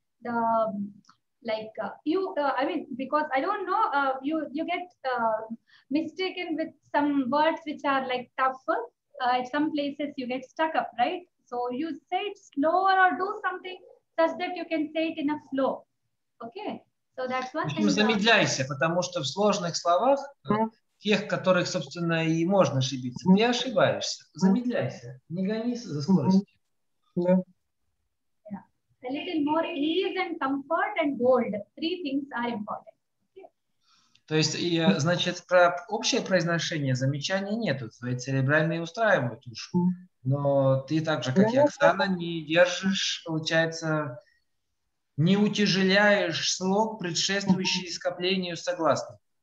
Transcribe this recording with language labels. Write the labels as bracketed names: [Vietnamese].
[English] The because I don't know, you get mistaken with some words which are like tough. At some places you get stuck up, right? So you say it slower or do something such that you can say it in a flow. Okay, so that's one. [Russian] Ну замедляйся, потому что в сложных словах тех, которых, собственно, и можно ошибиться, не ошибаешься. Замедляйся, не гонись за скоростью. [English] Yeah. Yeah. A little more ease and comfort and bold. Three things are important. Okay. [Russian] То есть, значит, про общее произношение замечаний нету. Твои церебральные устраивают уши. Но ты так же, как и Оксана, не держишь, получается, не утяжеляешь слог, предшествующий скоплению согласных.